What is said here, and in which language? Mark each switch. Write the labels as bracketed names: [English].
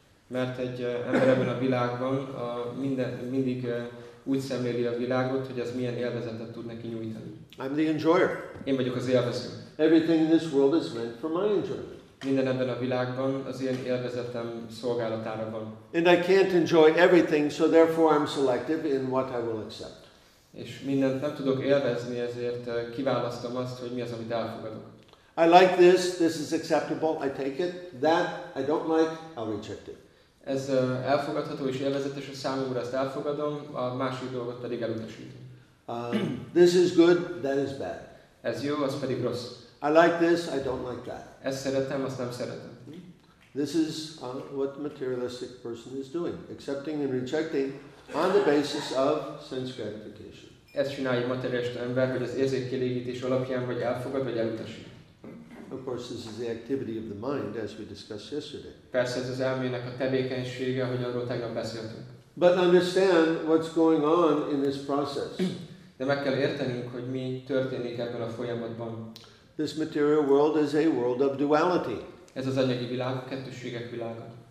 [Hungarian] Mert egy ember ebben a világban mindig úgy szemléli a világot, hogy az milyen élvezetet tud neki nyújtani. [English] I'm the enjoyer. [Hungarian] Én vagyok az élvező. [English] Everything in this world is meant for my enjoyment. [Hungarian] Minden ebben a világban az ilyen élvezetem szolgálatára van. [English] And I can't enjoy everything, so therefore I'm selective in what I will accept. [Hungarian] És mindent nem tudok élvezni, ezért kiválasztom azt, hogy mi az, amit elfogadok. [English] I like this, this is acceptable, I take it. That I don't like, I'll reject it. [Hungarian] Ez elfogadható és élvezetes a számomra, ezt elfogadom, a másik dolgot pedig elutasítom. [English] This is good, that is bad. [Hungarian] Ez jó, az pedig rossz. [English] I like this, I don't like that. [Hungarian] Ezt szeretem, azt nem szeretem. [English] This is what materialistic person is doing, accepting and rejecting on the basis of sense gratification. [Hungarian] Ezt csinálja a materialista ember, hogy az érzékkielégítés alapján vagy elfogad, vagy elutasít. [English] Of course, this is the activity of the mind, as we discussed yesterday. [Hungarian] Persze ez az elmének a tevékenysége, hogy arról tegnap beszéltünk. [English] But understand what's going on in this process. [Hungarian] De meg kell értenünk, hogy mi történik ebben a folyamatban. [English] This material world is a world of duality. [Hungarian] Ez az anyagi világ, a kettősségek világa.